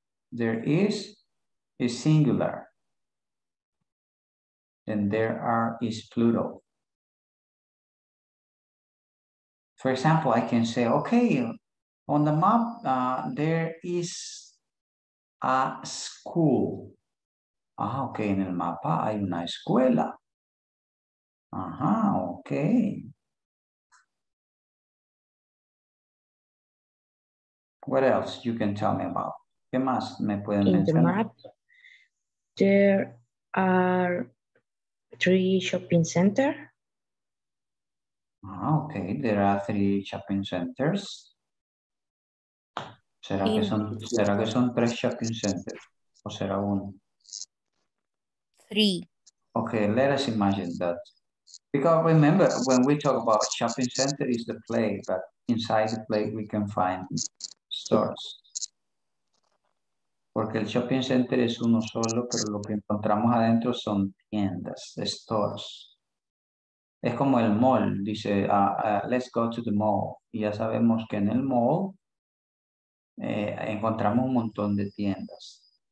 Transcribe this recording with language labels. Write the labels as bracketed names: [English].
[English] There is singular. And there are is plural. For example, I can say, okay, on the map, there is a school. [Spanish] Ah, okay, en el mapa hay una escuela. Ajá, okay. [English] What else you can tell me about? [Spanish] ¿Qué más me pueden mencionar? [English] In the map, there are three shopping centers. Ah, okay. There are three shopping centers. [Spanish] ¿Será que son tres shopping centers? ¿O será uno? [English] Three. Okay, let us imagine that. Because remember, when we talk about shopping center, it's the place, but inside the place we can find stores. [Spanish] Porque el shopping center es uno solo, pero lo que encontramos adentro son tiendas, stores. Es como el mall, dice, [English] let's go to the mall. [Spanish] Y ya sabemos que en el mall encontramos un montón de tiendas.